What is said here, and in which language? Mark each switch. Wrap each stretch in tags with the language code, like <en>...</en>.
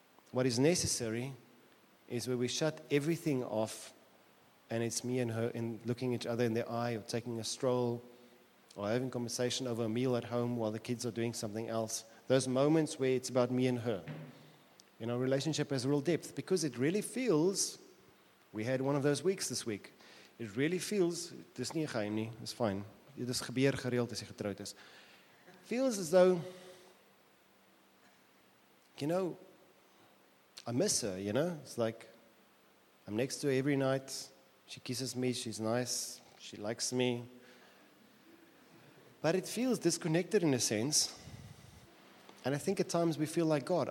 <en>What is necessary is where we shut everything off and it's me and her and looking each other in the eye or taking a stroll or having a conversation over a meal at home while the kids are doing something else. Those moments where it's about me and her. You know, relationship has real depth because it really feels, we had one of those weeks this week. It really feels,</en> <af>dis nie 'n geheim nie,</af> <en>it's fine.</en> <af>Dit is gebeur gereeld as jy getroud is.</af> <en>Feels as though, you know, I miss her, you know. It's like, I'm next to her every night. She kisses me, she's nice, she likes me. But it feels disconnected in a sense. And I think at times we feel like God.</en>